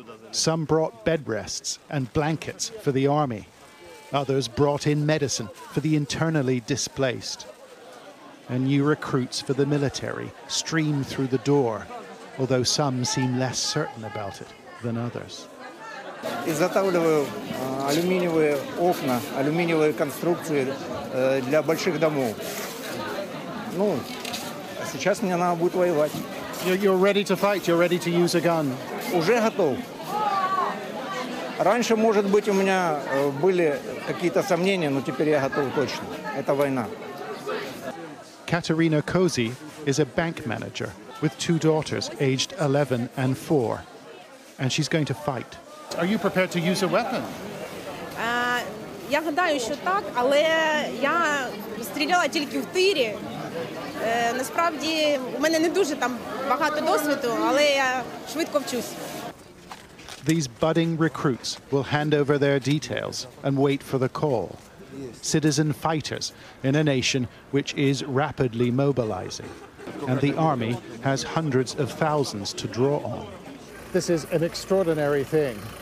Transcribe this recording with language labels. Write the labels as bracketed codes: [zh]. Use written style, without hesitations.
[en] Some brought bed rests and blankets for the army. Others brought in medicine for the internally displaced. And new recruits for the military stream through the door, although some seem less certain about it than others. [ru] Изготавливаю алюминиевые окна, алюминиевые конструкции для больших домов. Ну, сейчас мне надо будет воевать. [en] You're ready to fight, you're ready to use a gun. [ru] Уже готов. Раньше, может быть, у меня были какие-то сомнения, но теперь я готов точно. Это война. [en] Katerina Kozy is a bank manager with two daughters aged 11 and 4, and she's going to fight. Are you prepared to use a weapon? [uk] Я гадаю, що так, але я стріляла тільки в тирі. Насправді, у мене не дуже там багато досвіду, але я швидко вчусь. [en] These budding recruits will hand over their details and wait for the call. Citizen fighters in a nation which is rapidly mobilizing. And the army has hundreds of thousands to draw on. This is an extraordinary thing.